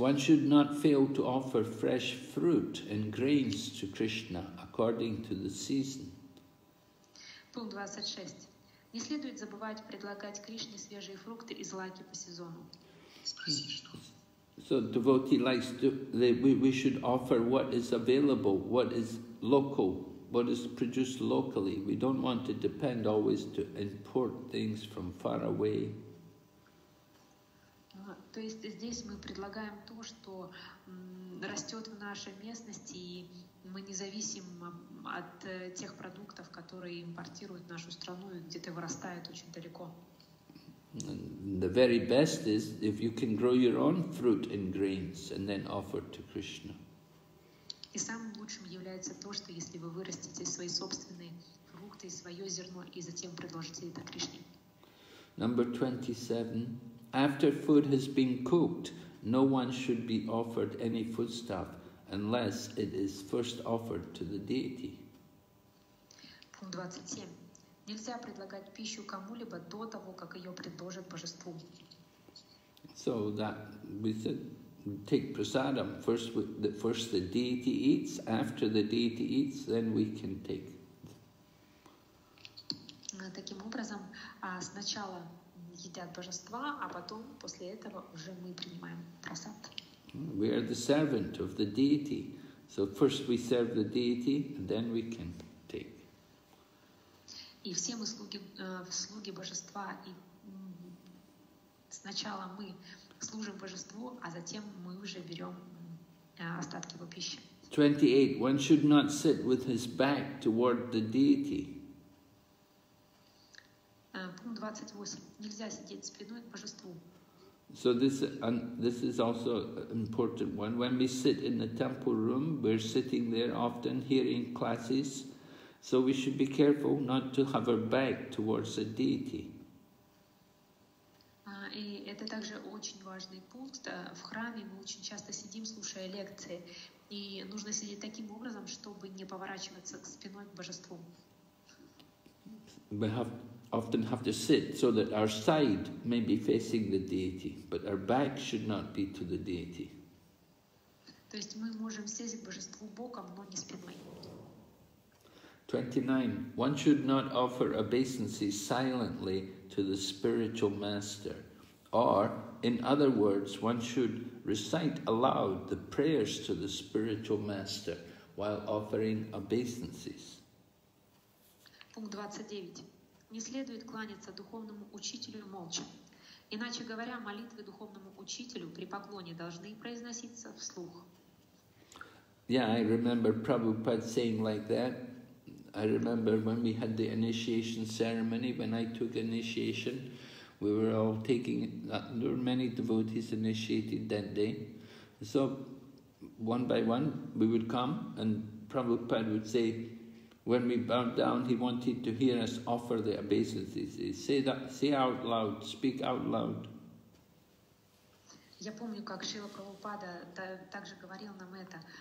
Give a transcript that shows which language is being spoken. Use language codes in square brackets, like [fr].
[en] One should not fail to offer fresh fruit and grains to Krishna according to the season. [ru] Пункт 26. Не следует забывать предлагать Кришне свежие фрукты и злаки по сезону. [en] So devotee likes to, we should offer what is available, what is local, what is produced locally. We don't want to depend always to import things from far away. [ru] То есть здесь мы предлагаем то, что растет в нашей местности, и мы не зависим от тех продуктов, которые импортируют в нашу страну, где-то вырастают очень далеко. [en] And the very best is if you can grow your own fruit and grains and then offer to Krishna. [ru] И самым лучшим является то, что если вы вырастите свои собственные фрукты и свое зерно и затем предложите это Кришне. [en] Number 27. After food has been cooked, no one should be offered any foodstuff unless it is first offered to the deity. [ru] Пункт 27. Нельзя предлагать пищу кому-либо до того, как ее предложат божеству. [en] So that we said, take prasadam. First the deity eats, after the deity eats, then we can take. [ru] Таким образом, сначала едят божества, а потом, после этого, уже мы принимаем прасад. [en] We are the servant of the deity. So first we serve the deity, and then we can. [ru] И все мы слуги, слуги божества, и сначала мы служим божеству, а затем мы уже берем остатки его пищи. [en] 28. One should not sit with his back toward the deity. [ru] Пункт 28. Нельзя сидеть спиной к божеству. [en] So this is also an important one. When we sit in the temple room, we're sitting there often hearing classes. So we should be careful not to have our back towards the deity. [ru] И это также очень важный пункт. В храме мы очень часто сидим, слушая лекции, и нужно сидеть таким образом, чтобы не поворачиваться спиной к божеству. [en] We often have to sit so that our side may be facing the deity, but our back should not be to the deity. [ru] То есть мы можем сесть к божеству боком, но не спиной. [en] 29. One should not offer obeisances silently to the spiritual master. Or, in other words, one should recite aloud the prayers to the spiritual master while offering obeisances. [ru] Пункт 29. Не следует кланяться духовному учителю молча. Иначе говоря, молитвы духовному учителю при поклоне должны произноситься вслух. [en] Yeah, I remember Prabhupada saying like that. I remember when we had the initiation ceremony, when I took initiation, we were all taking that. There were many devotees initiated that day. So one by one, we would come, and Prabhupada would say, when we bowed down, he wanted to hear us offer the obeisances. Say out loud, speak out loud. [ru] Я помню, как Шрила Прабхупада также говорил нам это.